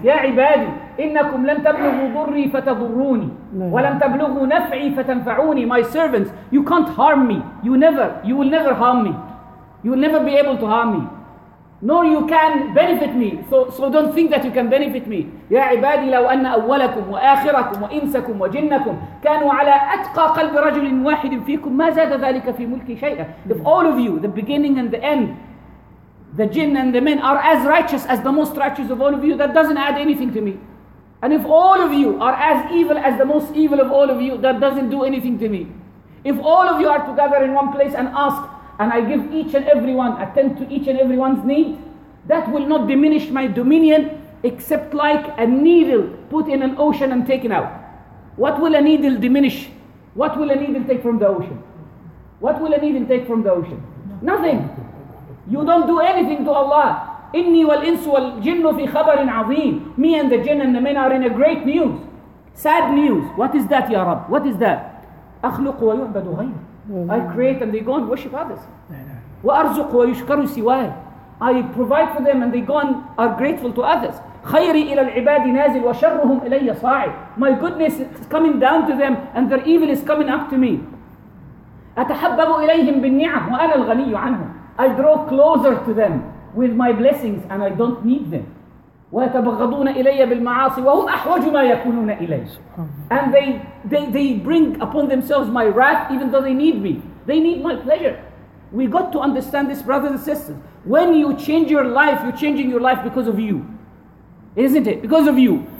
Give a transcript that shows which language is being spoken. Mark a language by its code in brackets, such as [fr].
[ar] يا عبادي إنكم لن تبلغوا ضري فتضروني ولن تبلغوا نفعي فتنفعوني. [en] My servants, you can't harm me. You will never harm me. You will never be able to harm me. Nor you can benefit me. So don't think that you can benefit me. [ar] يا عبادي لو أن أولكم وآخركم وإنسكم وجنكم كانوا على أتقى قلب رجل واحد فيكم ما زاد ذلك في ملكي شيئا. [en] If all of you, the beginning and the end, the jinn and the men are as righteous as the most righteous of all of you, that doesn't add anything to me. And if all of you are as evil as the most evil of all of you, that doesn't do anything to me. If all of you are together in one place and ask, and I give each and every one, attend to each and every one's need, that will not diminish my dominion except like a needle put in an ocean and taken out. What will a needle diminish? What will a needle take from the ocean? What will a needle take from the ocean? Nothing. You don't do anything to Allah. [ar] Inni wal insu wal jinnu fi khabarin azeem. [en] Me and the jinn and the men are in a great news. Sad news. What is that, Ya Rab? What is that? [ar] أخلق ويعبد غير. [en] I create and they go and worship others. [ar] وأرزق ويشكر سواي. [en] I provide for them and they go and are grateful to others. [ar] خيري إلى العباد نازل وشرهم إلي صاعد. [en] My goodness is coming down to them and their evil is coming up to me. [ar] أتحبب إليهم بالنعم وأنا الغني عنهم. [en] I draw closer to them with my blessings and I don't need them. [ar] وَيَتَبَغَضُونَ إِلَيَّ بِالْمَعَاصِ وَهُمْ أَحْوَجُ مَا يَكُونُونَ إِلَيْهِ. [en] And they bring upon themselves my wrath even though they need me. They need my pleasure. We got to understand this, brothers and sisters. When you change your life, you're changing your life because of you. Isn't it? Because of you.